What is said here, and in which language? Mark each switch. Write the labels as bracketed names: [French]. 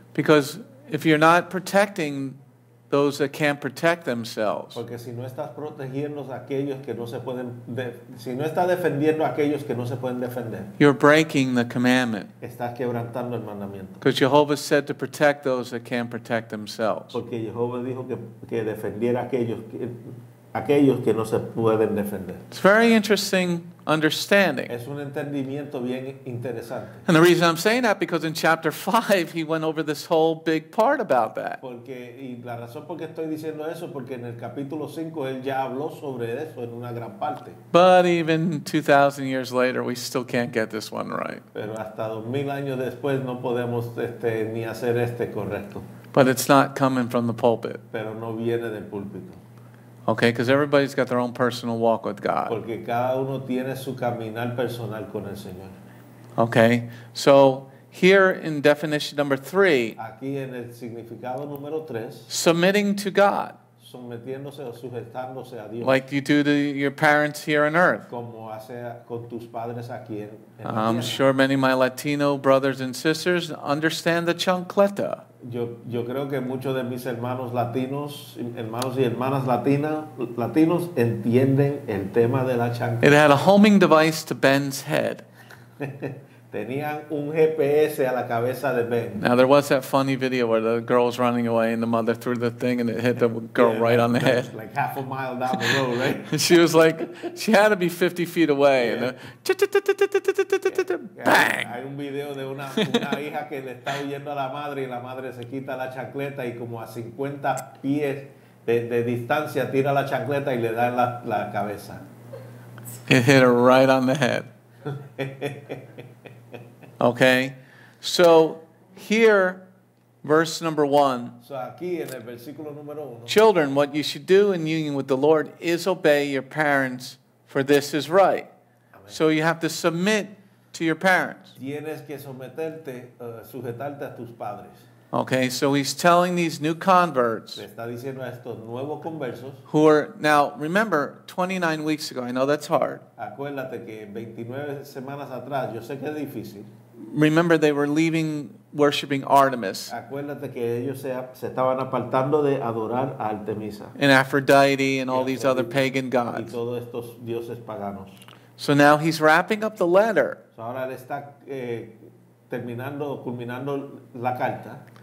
[English] Because if you're not protecting those that can't protect themselves. [Spanish] Porque si no estás protegiendo a aquellos que no se pueden si no estás defendiendo a aquellos que no se pueden defender. [English] You're breaking the commandment. [Spanish] Estás quebrantando el mandamiento. [English] Because Jehovah said to protect those that can't protect themselves. [Spanish] Porque Jehovah dijo que defendiera aquellos que no se pueden defender. [English] It's very interesting understanding. [Spanish] Es un entendimiento bien interesante. [English] And the reason I'm saying that because in chapter 5 he went over this whole big part about that. [Spanish] Porque y la razón por qué estoy diciendo eso porque en el capítulo 5 él ya habló sobre eso en una gran parte. [English] But even 2000 years later we still can't get this one right. [Spanish] Pero hasta 2000 años después no podemos ni hacer este correcto. [English] But it's not coming from the pulpit. [Spanish] Pero no viene del púlpito. [English] Okay, because everybody's got their own personal walk with God. [Spanish] Porque cada uno tiene su caminar personal con el Señor. [English] Okay, so here in definition number 3, [Spanish] aquí en el significado número 3, [English] submitting to God, [Spanish] sometiéndose o sujetándose a Dios, [English] like you do to your parents here on earth. [Spanish] Como hace con tus padres aquí en la [English] I'm [Spanish] tierra. [English] Sure many of my Latino brothers and sisters understand the chancleta. [Spanish] Yo creo que muchos de mis hermanos latinos, hermanos y hermanas latinos entienden el tema de la chancleta. [English] It had a homing device to Ben's head. [Spanish] Tenían un GPS a la cabeza de Ben. [English] Now there was that funny video where the girl was running away and the mother threw the thing and it hit the girl right on the head. Like half a mile down the road, right? She was like, she had to be 50 feet away. Yeah. And bang! [Spanish] Hay un video de una hija que le está huyendo a la madre y la madre se quita la chancleta y como a 50 pies de distancia tira la chancleta y le da en la cabeza. [English] It hit her right on the head. Okay, so here, verse number 1. [Spanish] So aquí en el versículo número 1. [English] Children, what you should do in union with the Lord is obey your parents, for this is right. Amen. So you have to submit to your parents. [Spanish] Tienes que someterte, sujetarte a tus padres. [English] Okay, so he's telling these new converts. [Spanish] Le está diciendo a estos nuevos conversos. [English] Who are, now, remember, 29 weeks ago, I know that's hard. [Spanish] Acuérdate que 29 semanas atrás, yo sé que es difícil. [English] Remember, they were leaving, worshiping Artemis. [Spanish] Acuérdate que ellos se estaban apartando de adorar a Artemisa. [English] And Aphrodite and all these other pagan gods. [Spanish] Y todos estos dioses paganos. [English] So now he's wrapping up the letter. [Spanish] So ahora él está terminando, culminando la carta.